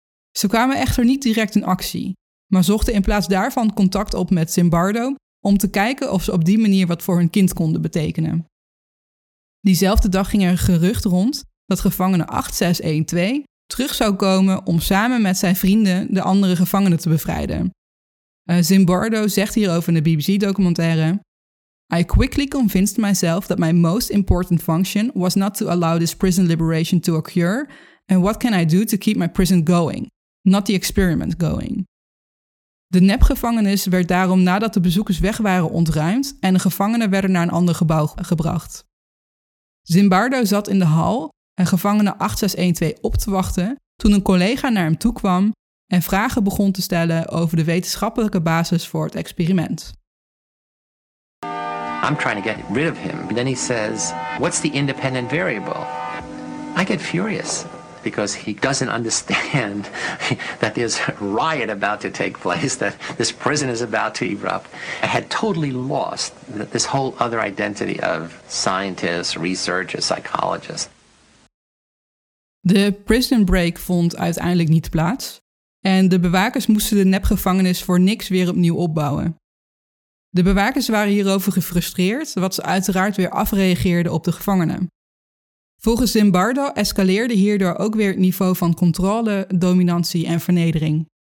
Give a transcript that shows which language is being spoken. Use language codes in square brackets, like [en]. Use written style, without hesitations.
[nl] Ze kwamen echter niet direct in actie, maar zochten in plaats daarvan contact op met Zimbardo om te kijken of ze op die manier wat voor hun kind konden betekenen. Diezelfde dag ging er gerucht rond dat gevangene 8612 terug zou komen om samen met zijn vrienden de andere gevangenen te bevrijden. [en] Zimbardo zegt hierover in de BBC-documentaire: I quickly convinced myself that my most important function was not to allow this prison liberation to occur, and what can I do to keep my prison going, not the experiment going. [nl] De nepgevangenis werd daarom nadat de bezoekers weg waren ontruimd en de gevangenen werden naar een ander gebouw gebracht. Zimbardo zat in de hal en gevangene 8612 op te wachten toen een collega naar hem toe kwam en vragen begon te stellen over de wetenschappelijke basis voor het experiment. [en] I'm trying to get rid of him. Then he says, what's the independent variable? I get furious because he doesn't understand that there's a riot about to take place, that this prison is about to erupt. I had totally lost this whole other identity of scientist, researcher, psychologist. [nl] De prison break vond uiteindelijk niet plaats en de bewakers moesten de nepgevangenis voor niks weer opnieuw opbouwen. De bewakers waren hierover gefrustreerd, wat ze uiteraard weer afreageerden op de gevangenen. Volgens Zimbardo escaleerde hierdoor ook weer het niveau van controle, dominantie en vernedering.